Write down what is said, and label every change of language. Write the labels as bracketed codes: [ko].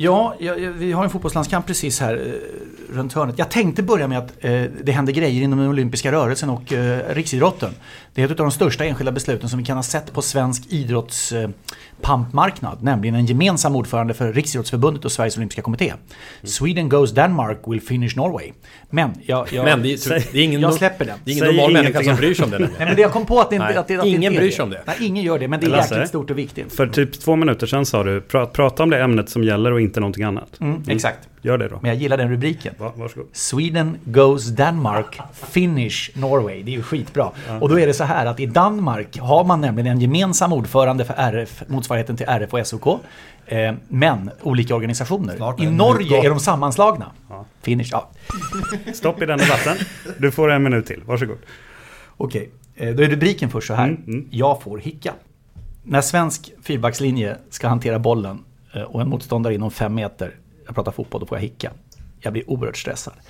[sv] Ja, vi har en fotbollslandskamp precis här runt hörnet. Jag tänkte börja med att det händer grejer inom den olympiska rörelsen och riksidrotten. Det är ett av de största enskilda besluten som vi kan ha sett på svensk idrottspampmarknad, nämligen en gemensam ordförande för Riksidrottsförbundet och Sveriges olympiska kommitté. [en] Sweden goes Denmark will finish Norway. [sv] Jag släpper den. Det är ingen normal människa som bryr sig om det. Nej, men det jag kom på att ingen bryr sig om det. Nej, ingen gör det, men det är jäkligt stort och viktigt. För typ 2 minuter sedan sa du prata om det ämnet som gäller och inte någonting annat. Exakt. Gör det då. Men jag gillar den rubriken. Varsågod. [en] Sweden goes Denmark, finish Norway. [sv] Det är ju skitbra. Och då är det så här att i Danmark har man nämligen en gemensam ordförande för RF, motsvarigheten till RF och SOK. Men olika organisationer. I Norge är de sammanslagna. Ja. Finish, ja. Stopp i den debatten. Du får en minut till. Varsågod. Okej, då är rubriken först så här. Jag får hicka. När svensk fyrbackslinje ska hantera bollen och en motståndare inom 5 meter, jag pratar fotboll, då får jag hicka. Jag blir oerhört stressad.